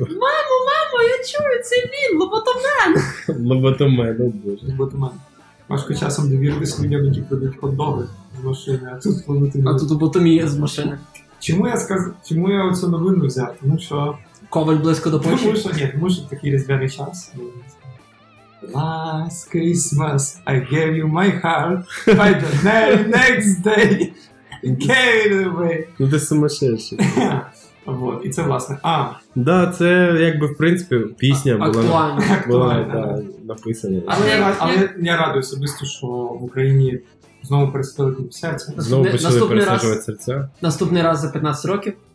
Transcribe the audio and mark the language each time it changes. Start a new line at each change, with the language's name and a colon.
Ukrainian: Мамо, мамо, я чую, це він, лоботомен! Лоботомен, о боже. Лоботомен. Важко часом довіритися людям, які придуть хот-доги з машини, а тут лоботомія. А тут лоботомія з машини. Чому я оцю новину взяв? Тому що... Коваль близько до Польщі? Тому що такий різдвяний час.
English: Last Christmas, I gave you my heart, by the very next day, I gave it away.
Ukrainian: Ну ти сумасшедший. Вот. І це, власне, а. Да, це, якби, в принципі, пісня була, написана. Але я радую особисто, що в Україні знову пересадили тобі серце. Знову почали пересаджувати серця. Наступний раз за 15 років.